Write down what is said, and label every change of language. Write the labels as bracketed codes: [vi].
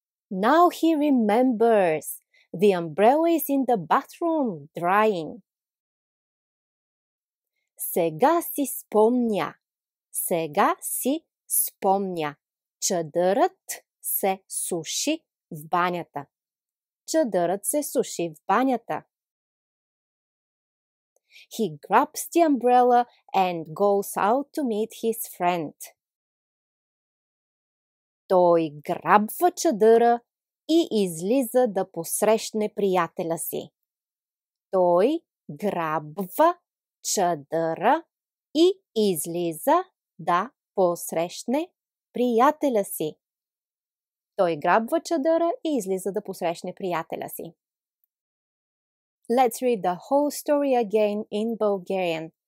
[en] Now he remembers. The umbrella is in the bathroom, drying. [bg] Сега си спомня. Сега си спомня. Чадърът се суши в банята. Чадърът се суши в банята. [en] He grabs the umbrella and goes out to meet his friend. [bg] Той грабва чадъра и излиза да посрещне приятеля си. Той грабва чадъра и излиза да посрещне приятеля си. Той грабва чадъра и излиза да посрещне приятеля си. [en] Let's read the whole story again in Bulgarian.